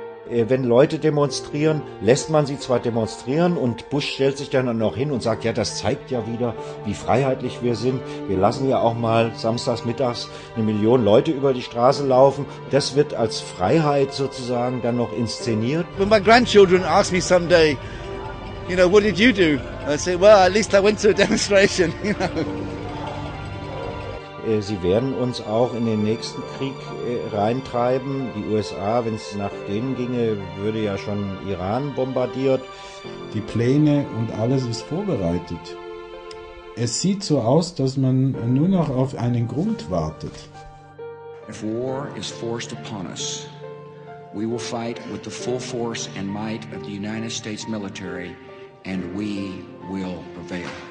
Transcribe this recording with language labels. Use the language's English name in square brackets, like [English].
[German] Wenn Leute demonstrieren, lässt man sie zwar demonstrieren und Bush stellt sich dann noch hin und sagt, ja, das zeigt ja wieder, wie freiheitlich wir sind. Wir lassen ja auch mal samstags mittags 1 Million Leute über die Straße laufen. Das wird als Freiheit sozusagen dann noch inszeniert. [English] When my grandchildren ask me someday, you know, what did you do? I say, well, at least I went to a demonstration, you know. [German] Sie werden uns auch in den nächsten Krieg reintreiben. Die USA, wenn es nach denen ginge, würde ja schon Iran bombardiert. Die Pläne und alles ist vorbereitet. Es sieht so aus, dass man nur noch auf einen Grund wartet. [English] If war is forced upon us, we will fight with the full force and might of the United States military and we will prevail.